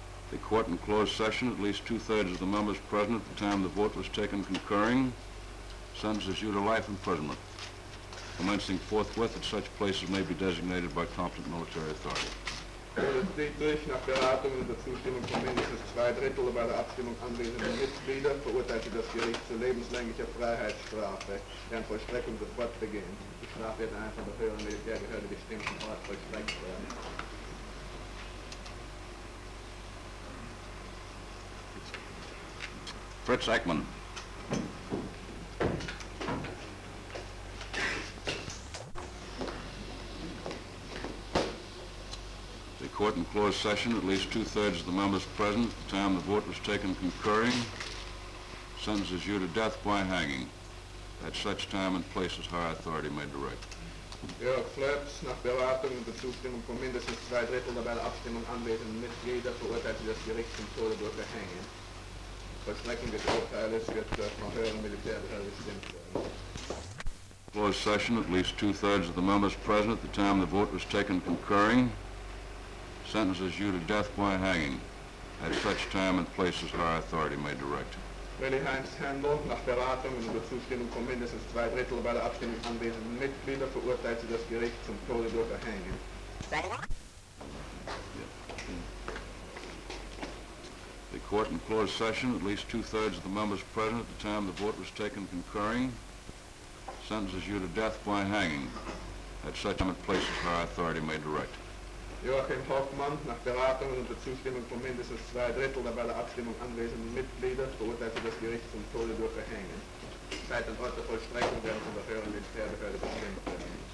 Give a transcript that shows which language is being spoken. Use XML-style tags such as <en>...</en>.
<en>The court in closed session, at least two-thirds of the members present at the time the vote was taken concurring, sentences you to life imprisonment, commencing forthwith at such places may be designated by competent military authority.</en> <de>Joseph Dietrich, nach Beratung und Zustimmung von mindestens zwei Drittel bei der Abstimmung anwesenden Mitglieder, verurteilte das Gericht zu lebenslänglicher Freiheitsstrafe, deren Vollstreckung sofort beginnt. Die Strafe wird einfach der höheren Militärbehörde bestimmten Ort vollstreckt werden. Fritz Eichmann.</de> <en>Court in closed session, at least two-thirds of the members present, at the time the vote was taken concurring, sentences you to death by hanging, at such time and place as higher authority may direct.</en> <de>Jörg Flöps, nach Beratung und Zustimmung von mindestens zwei Drittel der bei der Abstimmung anwesenden Mitglieder, verurteilte das Gericht zum Tode durch der Hängen. Vollstreckung des Urteils wird von höheren Militärbehörden bestimmt werden.</de> <en>Closed session, at least two-thirds of the members present, at the time the vote was taken concurring, sentences you to death by hanging, at such time and place as our authority may direct.</en> <de>Willy Heinz Händel, nach Beratung und unter Zustimmung von mindestens zwei Drittel bei der Abstimmung anwesenden Mitglieder, verurteilte das Gericht zum Tode durch Erhängen.</de> <en>The court in closed session, at least two-thirds of the members present at the time the vote was taken concurring, sentences you to death by hanging, at such time and place as our authority may direct.</en> <de>Joachim Hoffmann, nach Beratung und unter Zustimmung von mindestens zwei Drittel der bei der Abstimmung anwesenden Mitglieder, verurteilte das Gericht zum Tode durch Erhängen. Zeit und Ort der Vollstreckung werden von der höheren Militärbehörde bestimmt.</de>